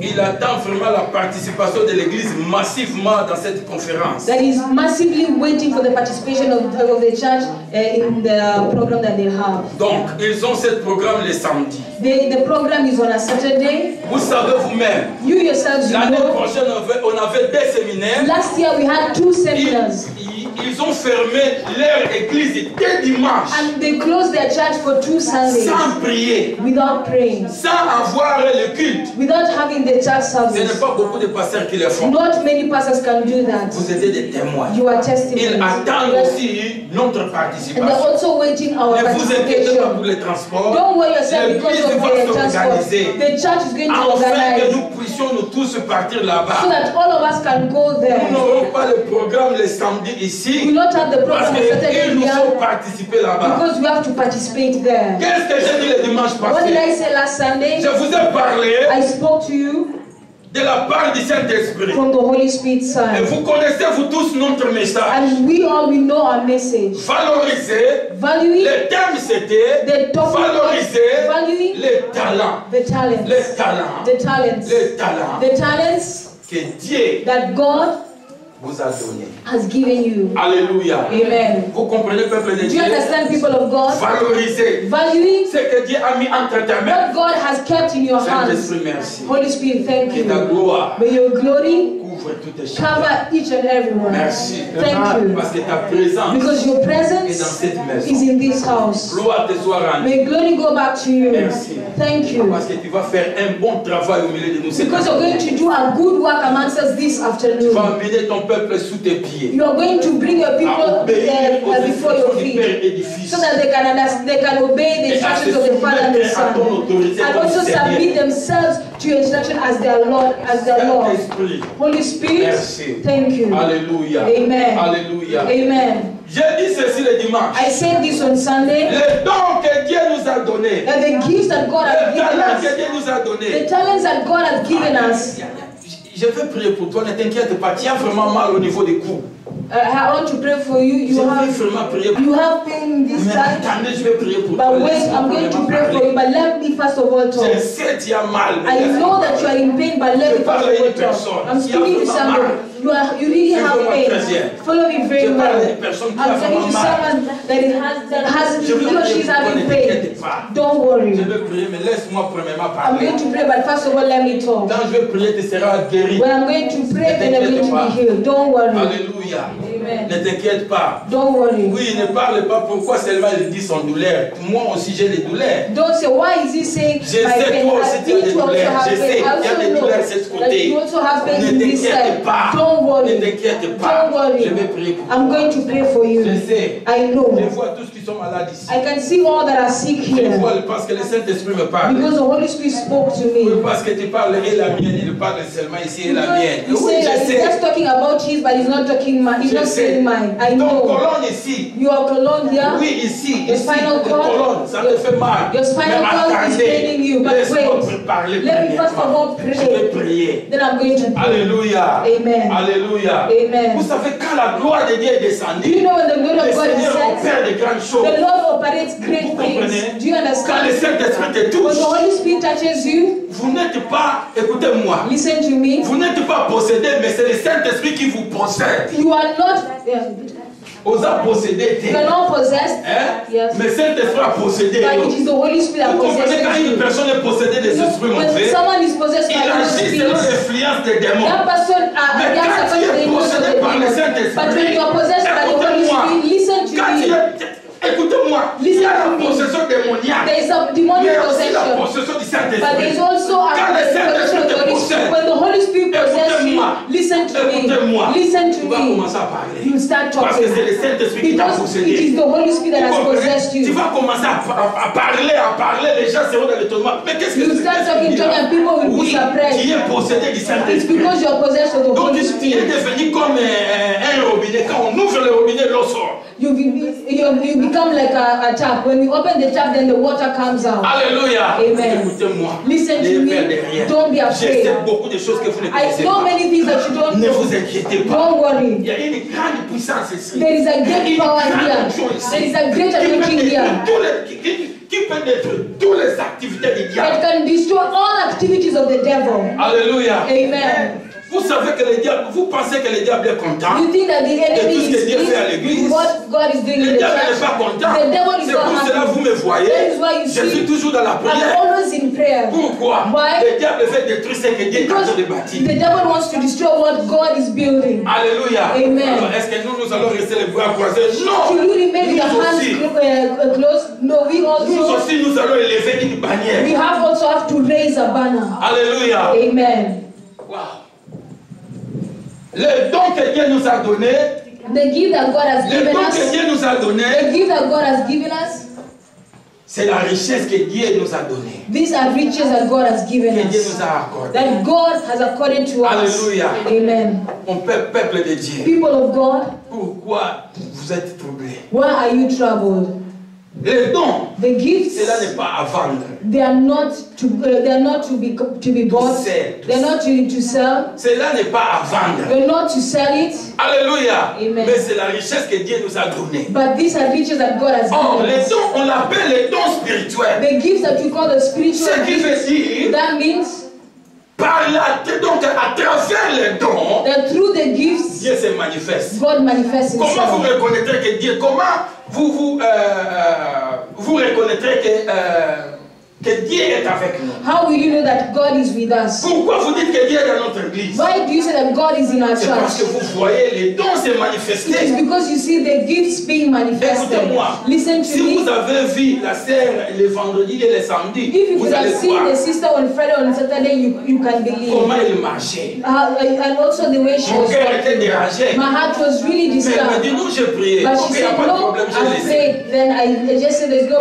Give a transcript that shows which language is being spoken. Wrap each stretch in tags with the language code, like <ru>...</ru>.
<fr>Il attend vraiment la participation de l'Église massivement dans cette conférence.</fr> <en>That is massively waiting for the participation of the church in the program that they have.</en> <fr>Donc ils ont ce programme le samedi.</fr> <en>The program is on a Saturday.</en> <fr>Vous savez vous-même.</fr> <en>You yourselves know.</en> <fr>L'année prochaine on avait deux séminaires.</fr> <en>Last year we had two seminars.</en> <fr>Ils ont fermé leur église dès dimanche.</fr> <en>And they closed their church for two Sundays.</en> <fr>Sans prier.</fr> <en>Without praying.</en> <fr>Sans avoir le culte.</fr> <en>Without having the church service.</en> <fr>Ce n'est pas beaucoup de pasteurs qui le font.</fr> <en>Not many pastors can do that.</en> <fr>Vous êtes des témoins.</fr> <en>You are testimonies.</en> <fr>Ils attendent aussi notre participation.</fr> <en>And they're also waiting our participation.</en> <fr>Ne vous inquiétez pas pour les transports.</fr> <en>Don't worry yourself because of the transport. The church is going to organize.</en> <fr>Afin que nous puissions nous tous partir là-bas.</fr> <en>So that all of us can go there.</en> <fr>Nous n'aurons pas le programme le samedi ici.</fr> <en>We will not have the program</en> <fr>certain ils là-bas.</fr> <en>Because we have to participate there.</en> <fr>Qu'est-ce que j'ai dit le dimanche passé?</fr> <en>What did I say last Sunday?</en> <fr>Je vous ai parlé.</fr> <en>I spoke to you.</en> <fr>De la part du Saint-Esprit.</fr> <en>From the Holy Spirit's side.</en> <fr>Et vous connaissez vous tous notre message.</fr> <en>And we all we know our message.</en> <fr>Valoriser.</fr> <en>Valuing.</en> <fr>Le thème c'était. Valoriser.</fr> <en>Valuing.</en> <fr>Les talents.</fr> <en>The talents.</en> <fr>Les talents.</fr> <en>The talents.</en> <fr>Les talents.</fr> <en>The talents.</en> <fr>que Dieu</fr> <en>that God</en> <fr>vous a donné.</fr> <en>Has given you. Alléluia. Amen.</en> <fr>Vous comprenez, peuple de Dieu?</fr> <en>Do you understand, people of God?</en> <fr>Valorisez.</fr> <en>Valuing.</en> <fr>Ce que Dieu a mis entre tes mains.</fr> <en>What God has kept in your hands.</en> <fr>Saint-Esprit, merci.</fr> <en>Holy Spirit, thank you.</en> <fr>Et ta gloire. May your glory couvre toutes les choses.</fr> <en>Cover each and everyone.</en> <fr>Merci.</fr> <en>Thank you.</en> <fr>Parce que ta présence.</fr> <en>Because your presence</en> <fr>est dans cette maison.</fr> <en>Is in this house.</en> <fr>Gloire te soit rendue.</fr> <en>May glory go back to you.</en> <fr>Merci.</fr> <en>Thank you.</en> <fr>Parce que tu vas faire un bon travail au milieu de nous.</fr> <en>Because you're going to do a good work amongst us this afternoon.</en> <fr>Tu vas amener ton peuple sous tes pieds.</fr> <en>You are going to bring your people there before your feet, so that they can obey the instructions of the Father and the Son, and also submit themselves to your instruction as their Lord, as their Lord. Holy Spirit,</en> <fr>merci.</fr> <en>Thank you. Alleluia. Amen. Alleluia. Amen.</en> <fr>J'ai dit ceci le dimanche.</fr> <en>I said this on Sunday.</en> <fr>Le don que Dieu nous a donné.</fr> <en>And the gifts that God has given us.</en> <fr>Le talent que Dieu nous a donné.</fr> <en>The talents that God has given us.</en> <fr>Je vais prier pour toi. Ne t'inquiète pas. Tu as vraiment mal au niveau des coups.</fr> <en>I want to pray for you. You have pain this time.</en> <fr>Attendez, je vais prier pour</fr> <en>but wait, I'm going to pray for you. But let me first of all talk. Je sais, tu as mal, I know that you are in pain, but let me first of all talk. I'm speaking to somebody. You really have pain. Follow me very well. I'm speaking to someone that has having pain. Don't worry.</en> <fr>Je vais prier, mais laisse-moi premièrement parler.</fr> <en>I'm going to pray, but first of all, let me talk.</en> <fr>Quand je vais prier, tu seras guéri.</fr> <en>When I'm going to pray, then I'm going to be healed. Don't worry. Alléluia. Amen.</en> <fr>Ne t'inquiète pas.</fr> <en>Don't worry.</en> <fr>Oui, ne parle pas. Pourquoi seulement il dit son douleur? Moi aussi j'ai des douleurs.</fr> <en>Don't say why is he saying?</en> <fr>Je sais, toi aussi tu as des douleurs. Je sais, il y a des douleurs de ce côté. Ne t'inquiète pas.</fr> <en>Don't worry.</en> <fr>Ne t'inquiète pas.</fr> <en>Don't worry.</en> <fr>Je vais prier pour toi.</fr> <en>I'm going to pray for you.</en> <fr>Je sais.</fr> <en>I know.</en> <fr>Je vois tous qui sont malades ici.</fr> <en>I can see all that are sick here.</en> <fr>Je vois parce que le Saint-Esprit me parle.</fr> <en>Because the Holy Spirit spoke to me.</en> <fr>Oui, parce que tu parles et la mienne, il parle seulement ici et la mienne.</fr> <en>You</en> <fr>oui,</fr> <en>say,</en> <fr>je sais.</fr> <en>He's just talking about his, but he's not talking. He's not saying mine. I know.</en> <fr>Cologne, ici.</fr> <en>You are Cologne here.</en> <fr>Oui, ici.</fr> <en>The spinal cord.</en> <fr>Cologne, ça mal.</fr> <en>Your spinal cord is paining you. But wait. Let me first of all pray.</en> <fr>Je vais prier.</fr> <en>Then I'm going to pray. Alléluia. Amen. Alléluia. Amen.</en> <fr>Vous savez quand la gloire de Dieu est descendue?</fr> <en>Do you know when the glory of God descends? The Lord operates great things. Do you understand?</en> <fr>Quand le Saint-Esprit te touche.</fr> <en>When the Holy Spirit touches you.</en> <fr>Vous n'êtes pas, écoutez-moi.</fr> <en>Listen to me.</en> <fr>Vous n'êtes pas possédé, mais c'est le Saint-Esprit qui vous possède.</fr> <en>You are not.</en> <fr>Vous a possédé.</fr> <en>You are not possessed.</en> <fr>Hein?</fr> <en>Yes.</en> <fr>Mais Saint-Esprit a possédé.</fr> <en>But it is the Holy Spirit that possesses.</en> <fr>Vous comprenez quand une personne est possédée des esprits mauvais?</fr> <en>When someone is possessed by the Holy Spirit.</en> <fr>Il agit selon l'influence des démons.</fr> <en>That person</en> <fr>mais quand tu es possédé par le Saint-Esprit.</fr> <en>But when you are possessed by the Holy Spirit, listen to</en> <fr>quand</fr> <en>me.</en> <fr>Écoutez-moi, il y a la possession démoniaque.</fr> <en>There is a demonic possession.</en> <fr>La possession du Saint-Esprit.</fr> <en>But there is also a</en> <fr>quand le Saint-Esprit possède.</fr> <en>When the Holy Spirit possesses you, listen to me.</en> <fr>Écoutez-moi.</fr> <en>Listen to me.</en> <fr>Tu vas commencer à parler.</fr> <en>You start talking.</en> <fr>Parce que c'est le Saint-Esprit qui t'a possédé.</fr> <en>It is the Holy Spirit that has possessed you.</en> <fr>Tu vas commencer à parler. Les gens seront dans l'étonnement. Mais qu'est-ce que</fr> <en>you start talking, talking, and people will</en> <fr>oui,</fr> <en>be surprised.</en> <fr>Tu es possédé du Saint-Esprit.</fr> <en>It's because you are possessed of the Holy Spirit.</en> <fr>Donc tu es devenu comme un robinet. Quand on ouvre le robinet, l'eau sort.</fr> <en>You become like a tap. When you open the tap, then the water comes out. Alléluia. Amen.</en> <fr>Écoutez-moi.</fr> <en>Listen to me. Don't be afraid.</en> <fr>Je sais beaucoup de choses que vous ne connaissez pas.</fr> <en>I know many things that you don't know.</en> <fr>Ne vous inquiétez pas.</fr> <en>Don't worry.</en> <fr>Il y a une grande puissance ici.</fr> <en>There is a great power here. There is a great anointing here.</en> <fr>Qui peut détruire toutes les activités du diable.</fr> <en>That can destroy all activities of the devil. Alléluia. Amen.</en> <fr>Vous savez que le diable, vous pensez que le diable est content?</fr> <en>You think that the enemy</en> <fr>de tout ce que</fr> <en>is</en> <fr>Dieu fait à l'église?</fr> <en>What God is doing</en> <fr>le diable n'est pas content.</fr> <en>The devil is</en> <fr>c'est pour cela que vous me voyez.</fr> <en>That is why you</en> <fr>je</fr> <en>see.</en> <fr>Suis toujours dans la prière.</fr> <en>I'm always in prayer.</en> <fr>Pourquoi?</fr> <en>Why?</en> <fr>Le diable veut détruire ce que Dieu est en train de bâtir.</fr> <en>The devil wants to destroy what God is building. Alléluia. Amen.</en> <fr>Alors, est-ce que nous allons rester les bras croisés? Non.</fr> <en>Should you remain nous your hands closed? No, we also.</en> <fr>Nous aussi nous allons élever une bannière.</fr> <en>We have also have to raise a banner. Alléluia. Amen. Wow.</en> <fr>Le don que Dieu nous a donné.</fr> <en>The gift that God has given us.</en> <fr>Le don que Dieu nous a donné.</fr> <en>The gift that God has given us.</en> <fr>C'est la richesse que Dieu nous a donné.</fr> <en>These are riches that God has given</en> <fr>que</fr> <en>us.</en> <fr>Que Dieu nous a accordé.</fr> <en>That God has accorded to alléluia. Us. Amen.</en> <fr>Mon peuple de Dieu.</fr> <en>People of God.</en> <fr>Pourquoi vous êtes troublés?</fr> <en>Why are you troubled?</en> <fr>Les dons.</fr> <en>The gifts.</en> <fr>Cela n'est pas à vendre.</fr> <en>They are not to be bought. They are not to sell.</en> <fr>Cela n'est pas à vendre.</fr> <en>They are not to sell it. Alléluia. Amen.</en> <fr>Mais c'est la richesse que Dieu nous a donnée.</fr> <en>But these are riches that God has given.</en> <fr>Oh, les dons, on l'appelle les dons spirituels.</fr> <en>The gifts that you call the spiritual gifts. That means.</en> <fr>Pas Par la, donc à travers les dons,</fr> <en>through the gifts,</en> <fr>Dieu se manifeste.</fr> <en>God manifests himself.</en> <fr>Comment vous reconnaîtrez que Dieu, comment vous reconnaîtrez que Dieu est avec nous?</fr> <en>How will you know that God is with us?</en> <fr>Pourquoi vous dites que Dieu est dans notre église?</fr> <en>Why do you say that God is in our church?</en> <fr>C'est parce que vous voyez les dons se manifester.</fr> <en>It is because you see the gifts being manifested.</en> <fr>Écoutez-moi.</fr> <en>Listen to</en> <fr>si</fr> <en>me.</en> <fr>Si vous avez vu la sœur le vendredi et le samedi,</fr> <en>if you</en> <fr>vous</fr> <en>have</en> <fr>allez</fr> <en>seen</en> <fr>voir</fr> <en>the sister on Friday on Saturday, you can believe.</en> <fr>Comment elle marchait?</fr> <en>And also the way she</en> <fr>mon</fr> <en>was.</en> <fr>Mon cœur était dérangé.</fr> <en>My heart was really disturbed.</en> <fr>Mais dis-nous, je priais.</fr> <en>But she said no. I prayed. Then I just said there's no</en>